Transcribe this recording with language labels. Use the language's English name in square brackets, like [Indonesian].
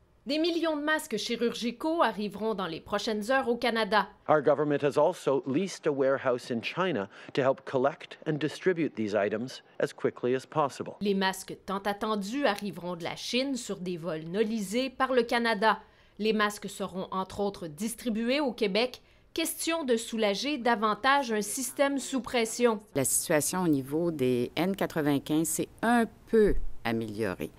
[French] Des millions de masques chirurgicaux arriveront dans les prochaines heures au Canada. [English] Our government has also leased a warehouse in China to help collect and distribute these items as quickly as possible. [French] Les masques tant attendus arriveront de la Chine sur des vols nolisés par le Canada. Les masques seront entre autres distribués au Québec. Question de soulager davantage un système sous pression. La situation au niveau des N95 s'est un peu améliorée.